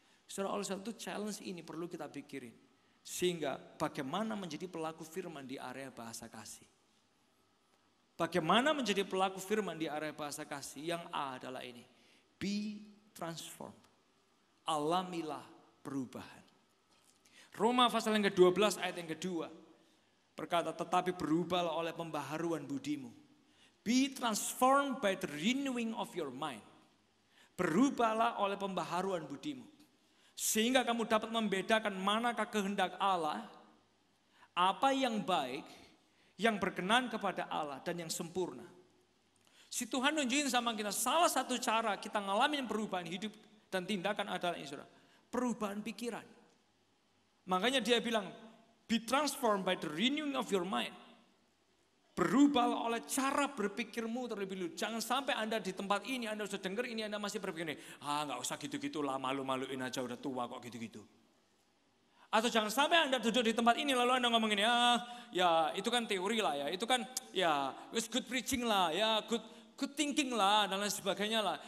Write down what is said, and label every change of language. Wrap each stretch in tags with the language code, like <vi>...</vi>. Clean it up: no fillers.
<id>Secara oleh satu challenge ini perlu kita pikirin, sehingga bagaimana menjadi pelaku firman di area bahasa kasih. Bagaimana menjadi pelaku firman di area bahasa kasih? Yang A adalah ini.</id> <en>Be transformed.</en> <id>Alamilah perubahan. Roma pasal yang ke-12 ayat yang ke-2. Berkata, tetapi berubahlah oleh pembaharuan budimu.</id> <en>Be transformed by the renewing of your mind.</en> <id>Berubahlah oleh pembaharuan budimu. Sehingga kamu dapat membedakan manakah kehendak Allah. Apa yang baik, yang berkenan kepada Allah dan yang sempurna. Si Tuhan nunjukin sama kita, salah satu cara kita ngalamin perubahan hidup dan tindakan adalah ini, saudara, perubahan pikiran. Makanya dia bilang,</id> <en>be transformed by the renewing of your mind.</en> <id>Berubahlah oleh cara berpikirmu terlebih dulu. Jangan sampai Anda di tempat ini, Anda sudah dengar ini, Anda masih berpikir, ah gak usah gitu-gitu lah, malu-maluin aja, udah tua kok gitu-gitu. Atau jangan sampai Anda duduk di tempat ini lalu Anda ngomongin, ya itu kan teori lah ya, itu kan ya</id> <en>it's good preaching</en> <id>lah, ya</id> <en>good thinking</en> <id>lah dan lain sebagainya lah.</id>